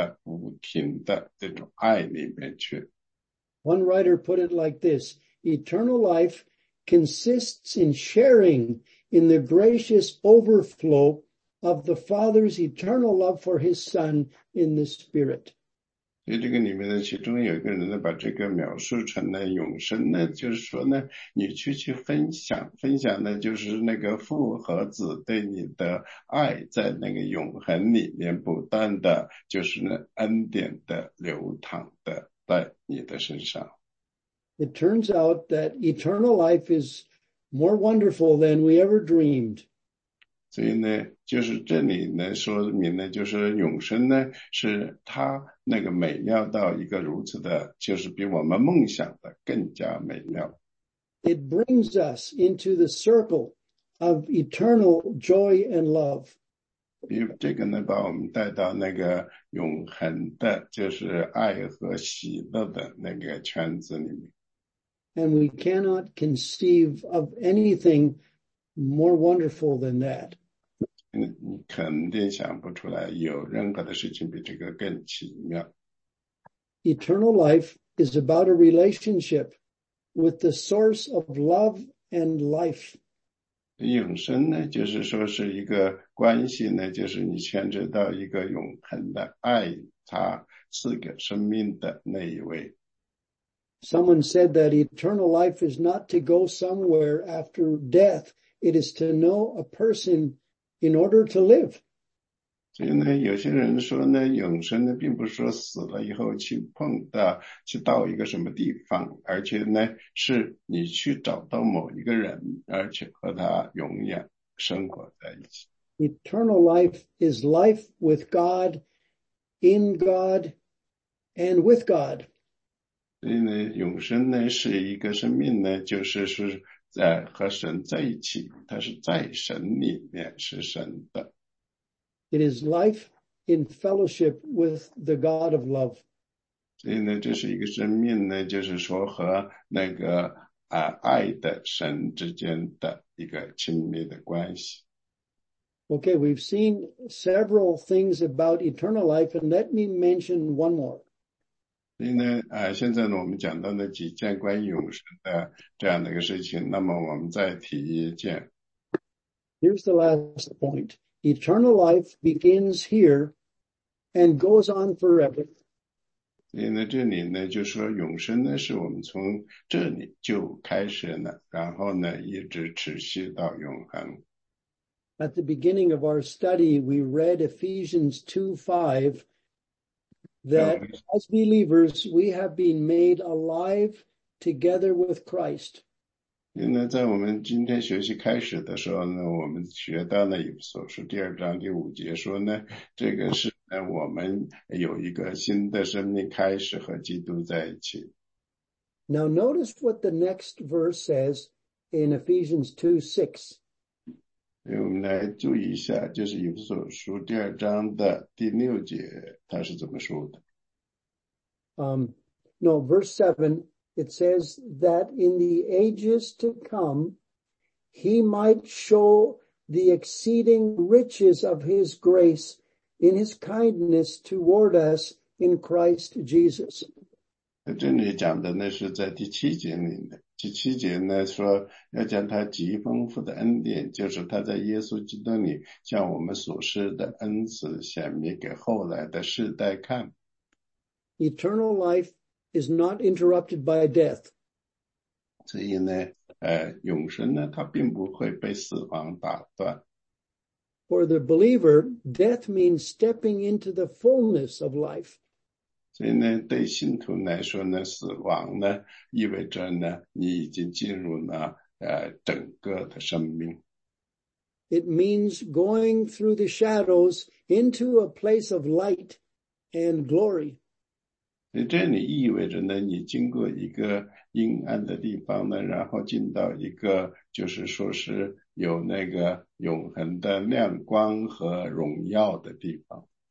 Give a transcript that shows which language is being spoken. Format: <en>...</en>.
<zh>所以呢，永生呢，就是你被抓到那样一个地方呢，就是说是到那个在神的和他的父和子之间对你的那个永恒的、不停的这种爱里面去。</zh> <en>One writer put it like this: Eternal life consists in sharing in the gracious overflow of the Father's eternal love for his Son in the Spirit.</en> <zh>所以这个里面呢，其中有一个人呢，把这个描述成呢永生呢，就是说呢，你去分享，分享呢，就是那个父和子对你的爱，在那个永恒里面不断的，就是那恩典的流淌的，在你的身上。</zh> <en>It turns out that eternal life is more wonderful than we ever dreamed.</en> <zh>所以呢，就是这里呢说明呢，就是永生呢是他那个美妙到一个如此的，就是比我们梦想的更加美妙。</zh> <en>It brings us into the circle of eternal joy and love.</en> <zh>比如这个呢，把我们带到那个永恒的，就是爱和喜乐的那个圈子里面。</zh> <en>And we cannot conceive of anything more wonderful than that.</en> <zh>你肯定想不出来有任何的事情比这个更奇妙。</zh> <en>Eternal life is about a relationship with the source of love and life.</en> <zh>永生呢，就是说是一个关系呢，就是你牵扯到一个永恒的爱，他赐给生命的那一位。</zh> <en>Someone said that eternal life is not to go somewhere after death. It is to know a person in order to live.</en> <zh>所以呢，有些人说呢，永生呢，并不是说死了以后去碰到，去到一个什么地方，而且呢，是你去找到某一个人，而且和他永远生活在一起。</zh> <en>Eternal life is life with God, in God, and with God.</en> <zh>所以呢，永生呢，是一个生命呢，就是是在和神在一起，它是在神里面，是神的。</zh> <en>It is life in fellowship with the God of love.</en> <zh>所以呢，这是一个生命呢，就是说和那个爱的神之间的一个亲密的关系。</zh> <en>Okay, we've seen several things about eternal life, and let me mention one more.</en> <zh>所以呢，现在呢，我们讲到了几件关于永生的这样的一个事情，那么我们再提一件。</zh> <en>Here's the last point. Eternal life begins here and goes on forever.</en> <zh>所以呢，这里呢，就说永生呢，是我们从这里就开始了，然后呢，一直持续到永恒。</zh> <en>At the beginning of our study, we read Ephesians 2:5 that as believers, we have been made alive together with Christ.</en> <zh>因为在我们今天学习开始的时候呢，我们学到了以所书第二章第五节说呢，这个是我们有一个新的生命开始和基督在一起。</zh> <en>Now notice what the next verse says in Ephesians 2:6.</en> <zh>所以我们来注意一下，就是以所书第二章的第六节，它是怎么说的。</zh> <en>No, verse 7, it says that in the ages to come, he might show the exceeding riches of his grace in his kindness toward us in Christ Jesus.</en> <zh>这里讲的呢是在第七节里的，第七节呢说要将他极丰富的恩典，就是他在耶稣基督里向我们所施的恩慈显明给后来的世代看。</zh> <en>Eternal life is not interrupted by death.</en> <zh>所以呢，永生呢，它并不会被死亡打断。</zh> <en>For the believer, death means stepping into the fullness of life.</en> <zh>所以呢，对信徒来说呢，死亡呢，意味着呢，你已经进入了整个的生命。</zh> <en>It means going through the shadows into a place of light and glory.</en> <zh>所以这里意味着呢，你经过一个阴暗的地方呢，然后进到一个就是说是有那个永恒的亮光和荣耀的地方。</zh>